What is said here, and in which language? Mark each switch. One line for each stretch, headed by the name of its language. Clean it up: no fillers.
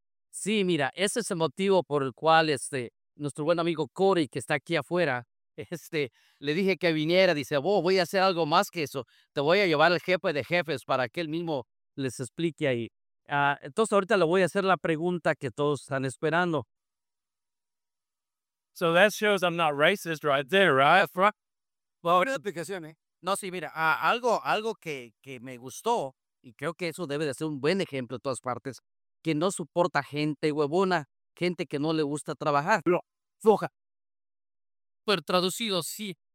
Spanish: Sí, mira, ese es el motivo por el cual nuestro buen amigo Corey, que está aquí afuera, le dije que viniera. Dice, oh, voy a hacer algo más que eso. Te voy a llevar al jefe de jefes para que él mismo les explique ahí. Entonces, ahorita le voy a hacer la pregunta que todos están esperando.
English: So that shows I'm not racist right there, right?
Spanish: Well, explicación, ¿eh? No, sí, mira, algo que me gustó, y creo que eso debe de ser un buen ejemplo en todas partes, que no soporta gente huevona, gente que no le gusta trabajar. Floja. Pero traducido, sí.